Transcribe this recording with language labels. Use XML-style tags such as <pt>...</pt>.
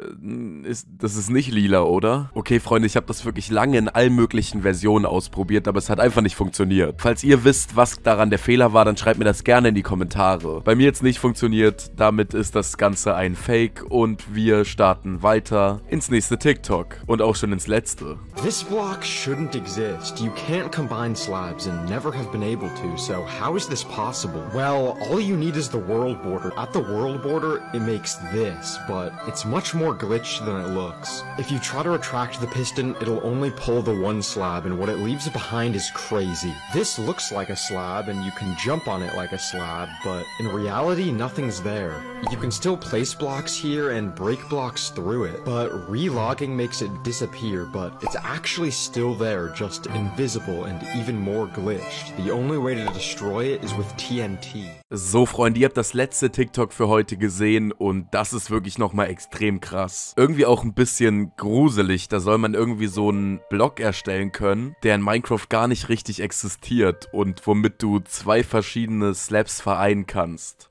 <de>das ist nicht lila, oder? Okay, Freunde, ich habe das wirklich lange in allen möglichen Versionen ausprobiert, aber es hat einfach nicht funktioniert. Falls ihr wisst, was daran der Fehler war, dann schreibt mir das gerne in die Kommentare. Bei mir jetzt nicht funktioniert, damit ist das Ganze ein Fake und wir starten weiter ins nächste TikTok und auch schon ins letzte.</de> <en>This block shouldn't exist. You can't combine slabs and never have been able to, so How is this possible? Well, all you need is the world border. At the world border, it makes this, but it's much more glitched than it looks. If you try to retract the piston, it'll only pull the one slab, and what it leaves behind is crazy. This looks like a slab, and you can jump on it like a slab, but in reality, nothing's there. You can still place blocks here and break blocks through it, but relogging makes it disappear, but it's actually still there, just invisible and even more glitched. The only way to destroy it is with TNT.</en> <de>So, Freunde, ihr habt das letzte TikTok für heute gesehen und das ist wirklich nochmal extrem krass. Irgendwie auch ein bisschen gruselig, da soll man irgendwie so einen Block erstellen können, der in Minecraft gar nicht richtig existiert und womit du zwei verschiedene Slabs vereinen kannst.</de>